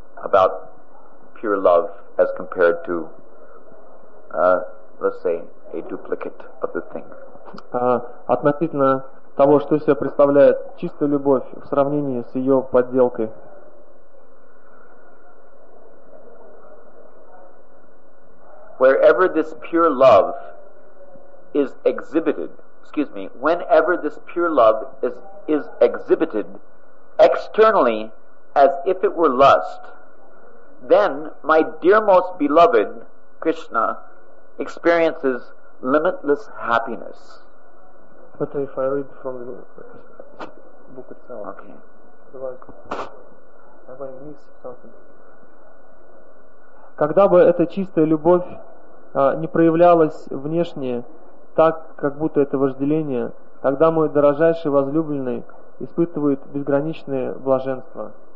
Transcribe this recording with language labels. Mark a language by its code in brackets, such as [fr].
[en] About pure love as compared to, let's say, a duplicate of the thing. [ru] Относительно того, что из себя представляет чистая любовь в сравнении с ее подделкой. [en] Wherever this pure love is exhibited. Excuse me, whenever this pure love is exhibited externally as if it were lust, then my dearmost beloved Krishna experiences limitless happiness. But if I read from the book itself, okay. Have I missed something? [ru] Когда бы эта чистая любовь не проявлялась внешне, так, как будто это вожделение, тогда мой дорожайший возлюбленный испытывает безграничное блаженство.